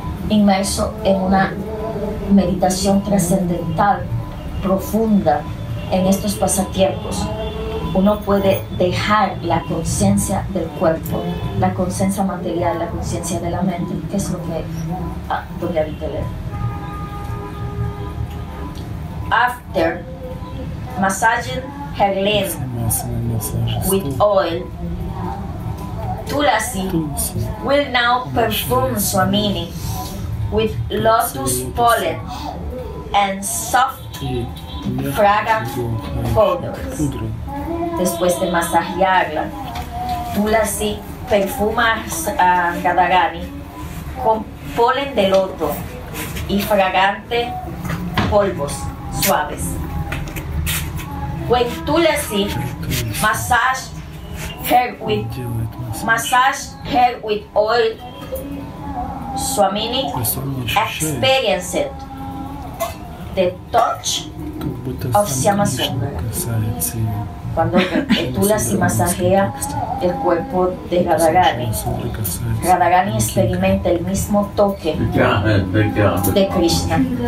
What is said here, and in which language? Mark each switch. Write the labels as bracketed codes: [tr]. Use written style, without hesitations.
[es] Inmerso en una meditación trascendental profunda en estos pasatiempos, uno puede dejar la conciencia del cuerpo, la conciencia material, la conciencia de la mente, que es lo que donde habita el ego. [en] After massaging her limb with oil, Tulasi will now perfume Swamini with lotus pollen and soft fragrant odors. [es] Después de masajearla, Tulasi perfuma a Radharani con polen de loto y fragante polvos suaves. [en] When Tulasi massage her with oil, Swamini experienced the touch of Shyamasundara. [es] Cuando Tulasi masajea el cuerpo de Radharani, Radharani experimenta el mismo toque de Krishna.